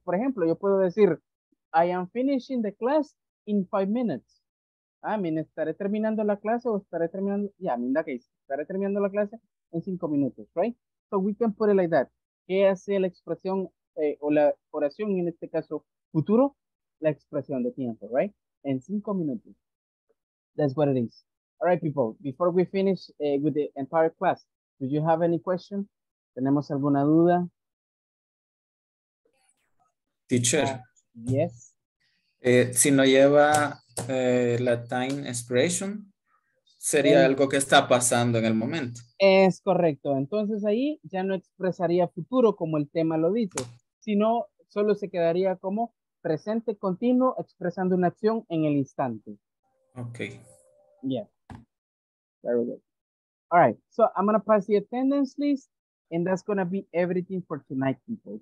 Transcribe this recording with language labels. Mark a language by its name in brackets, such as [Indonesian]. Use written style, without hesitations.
[Spanish] Por ejemplo, yo puedo decir, [English] I am finishing the class in 5 minutes. [Spanish] Ah, mira, estaré terminando la clase o estaré terminando, ya, yeah, mira que estaré terminando la clase en 5 minutos, right? [English] So we can put it like that. [Spanish] ¿Qué hace la expresión o la oración en este caso futuro? La expresión de tiempo, right? En 5 minutos. [English] That's what it is. All right, people, before we finish with the entire class, do you have any question? [Spanish] ¿Tenemos alguna duda? [English] Teacher. Yes. [Spanish] Si no lleva la time expression, sería algo que está pasando en el momento. Es correcto. Entonces ahí ya no expresaría futuro como el tema lo dice, sino solo se quedaría como presente continuo expresando una acción en el instante. [English] Okay. Yeah. Very good. All right. So I'm going to pass the attendance list and that's going to be everything for tonight, people.